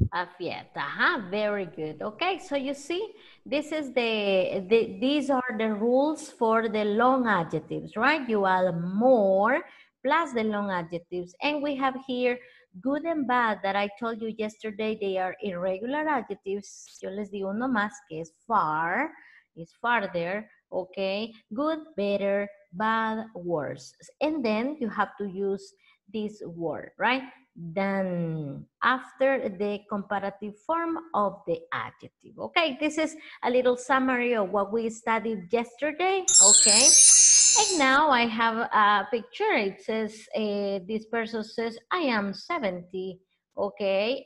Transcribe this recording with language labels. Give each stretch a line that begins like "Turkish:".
English: A Fiat. Aha, uh-huh. Very good. Okay, so you see, this is these are the rules for the long adjectives, right? You add more plus the long adjectives. And we have here good and bad that I told you yesterday, they are irregular adjectives.
Spanish: Yo les digo uno más que es far,
English: is farther, okay? Good, better, bad, worse. And then you have to use this word, right? Then after the comparative form of the adjective. Okay, this is a little summary of what we studied yesterday, okay? And now I have a picture. It says, this person says, I am 70, okay?